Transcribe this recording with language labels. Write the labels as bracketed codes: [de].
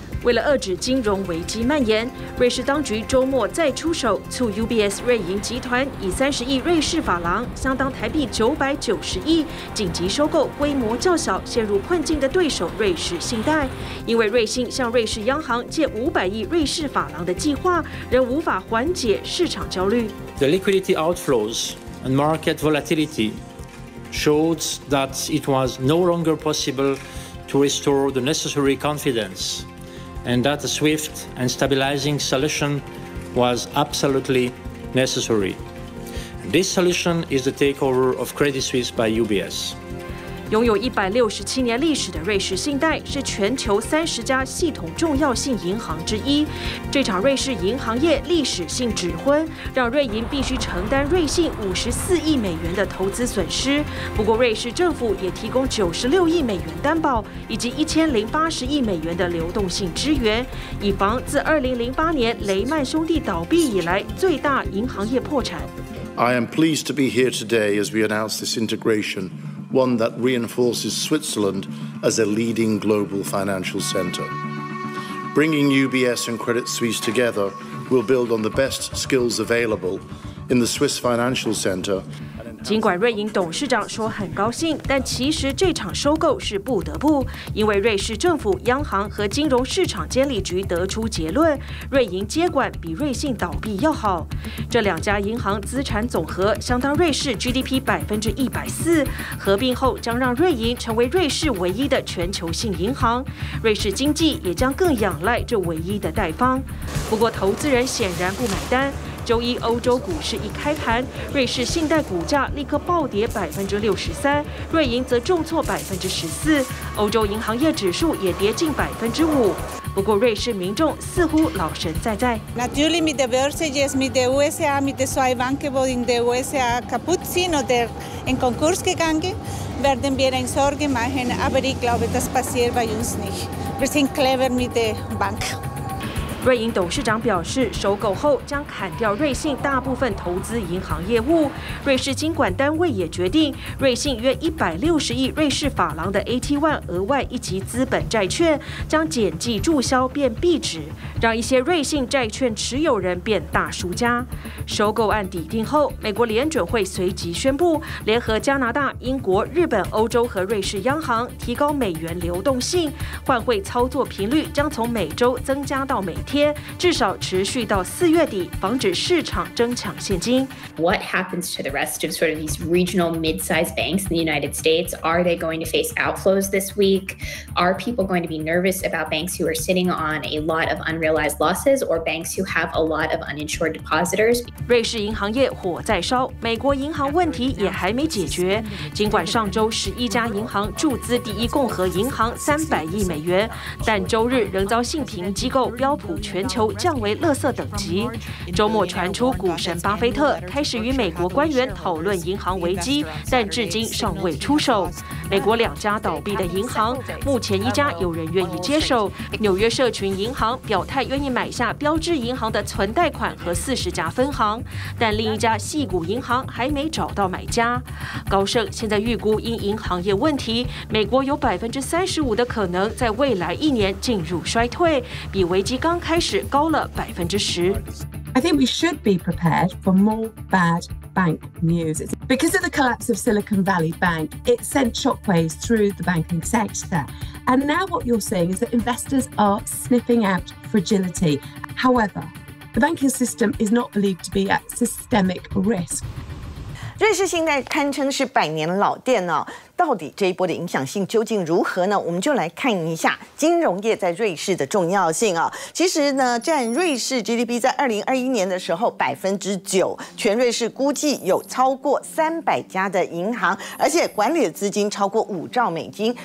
[zh] 为了遏制金融危机蔓延，瑞士当局周末再出手，促 UBS 瑞银集团以30亿瑞士法郎（相当台币990亿）紧急收购规模较小、陷入困境的对手瑞士信贷。因为瑞信向瑞士央行借500亿瑞士法郎的计划仍无法缓解市场焦虑。 [en] The liquidity outflows and market volatility showed that it was no longer possible to restore the necessary confidence. And that a swift and stabilizing solution was absolutely necessary. This solution is the takeover of Credit Suisse by UBS. [zh] 拥有167年历史的瑞士信贷是全球30家系统重要性银行之一。这场瑞士银行业历史性指婚，让瑞银必须承担瑞信54亿美元的投资损失。不过，瑞士政府也提供96亿美元担保，以及1080亿美元的流动性支援，以防自2008年雷曼兄弟倒闭以来最大银行业破产。 [en] I am pleased to be here today as we announce this integration. One that reinforces Switzerland as a leading global financial center. Bringing UBS and Credit Suisse together will build on the best skills available in the Swiss financial center. [zh] 尽管瑞银董事长说很高兴，但其实这场收购是不得不，因为瑞士政府、央行和金融市场监理局得出结论，瑞银接管比瑞信倒闭要好。这两家银行资产总和相当瑞士 GDP 104%，合并后将让瑞银成为瑞士唯一的全球性银行，瑞士经济也将更仰赖这唯一的贷方。不过，投资人显然不买单。周一欧洲股市一开盘，瑞士信贷股价立刻暴跌63%，瑞银则重挫14%，欧洲银行业指数也跌近5%。不过瑞士民众似乎老神在在。 [de] Natürlich mit der Börse jetzt mit der USA mit der zwei Banken wo in der USA kaputt sind oder in Konkurs gegangen werden wir ein Sorge machen, aber ich glaube das passiert bei uns nicht. Wir sind clever mit der Bank. [zh] 瑞银董事长表示，收购后将砍掉瑞信大部分投资银行业务。瑞士金管单位也决定，瑞信约160亿瑞士法郎的 AT1 额外一级资本债券将减计注销变币值，让一些瑞信债券持有人变大输家。收购案抵定后，美国联准会随即宣布，联合加拿大、英国、日本、欧洲和瑞士央行提高美元流动性换汇操作频率，将从每周增加到每。至少持续到4月底，防止市场争抢现金。 [en] What happens to the rest of sort of these regional mid-sized banks in the United States? Are they going to face outflows this week? Are people going to be nervous about banks who are sitting on a lot of unrealized losses or banks who have a lot of uninsured depositors? [zh] 瑞士银行业火在烧，美国银行问题也还没解决。尽管上周11家银行注资第一共和银行300亿美元，但周日仍遭信评机构标。全球降为垃圾等级。周末传出股神巴菲特开始与美国官员讨论银行危机，但至今尚未出手。美国两家倒闭的银行，目前一家有人愿意接手。纽约社群银行表态愿意买下标志银行的存贷款和40家分行，但另一家矽谷银行还没找到买家。高盛现在预估，因银行业问题，美国有35%的可能在未来一年进入衰退，比危机刚开始高了10%。 [en] I think we should be prepared for more bad bank news. Because of the collapse of Silicon Valley Bank, it sent shockwaves through the banking sector. And now what you're seeing is that investors are sniffing out fragility. However, the banking system is not believed to be at systemic risk. [zh] 瑞士信贷堪称是百年老店哦，到底这一波的影响性究竟如何呢？我们就来看一下金融业在瑞士的重要性哦。其实呢，占瑞士 GDP 在2021年的时候9%，全瑞士估计有超过300家的银行，而且管理的资金超过5兆美金。